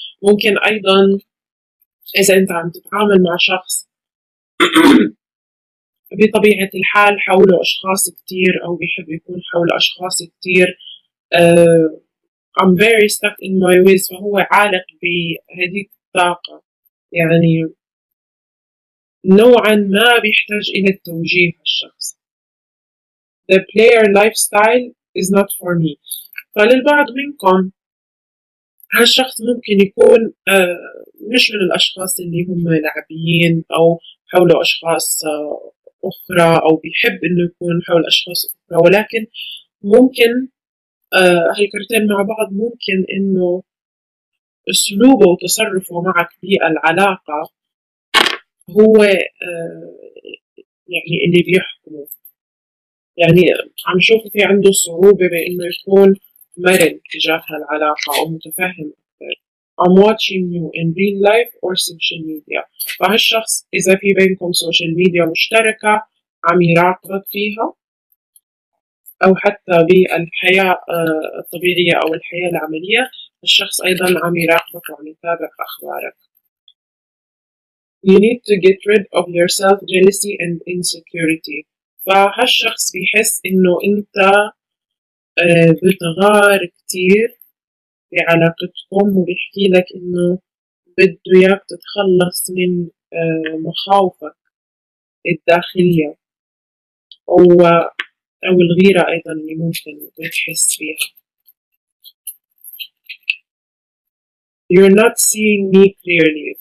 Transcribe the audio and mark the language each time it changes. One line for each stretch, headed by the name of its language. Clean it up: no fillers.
Arabic: ممكن أيضا إذا أنت عم تتعامل مع شخص بطبيعة الحال حوله أشخاص كتير أو بيحب يكون حول أشخاص كتير، I'm very stuck in my ways، فهو عالق بهذه الطاقة، يعني نوعا ما بيحتاج إلى التوجيه الشخص.
English: The player lifestyle is not for me.
Arabic: فللبعض منكم هالشخص ممكن يكون مش من الأشخاص اللي هم لعبيين أو حوله أشخاص أخرى أو بيحب إنه يكون حول أشخاص أخرى، ولكن ممكن هالكرتين مع بعض ممكن إنه أسلوبه وتصرفه معك بالعلاقة هو يعني اللي بيحكمه. يعني عم شوف في عنده صعوبة بإنه يكون مرن تجاه العلاقة أو متفهم أكثر.
English: I'm watching you in real life or social media.
Arabic: فهالشخص إذا في بينكم سوشيال ميديا مشتركة عم يراقبك فيها، أو حتى بالحياة الطبيعية أو الحياة العملية، الشخص أيضا عم يراقبك وعم يتابع أخبارك.
English: You need to get rid of your self-jealousy and insecurity.
Arabic: فهالشخص بيحس إنه أنت بتغار كتير في علاقتكم، وبيحكي لك إنه بده إياك تتخلص من مخاوفك الداخلية أو الغيرة أيضا اللي ممكن بتحس فيها.
English: You're not seeing me clearly.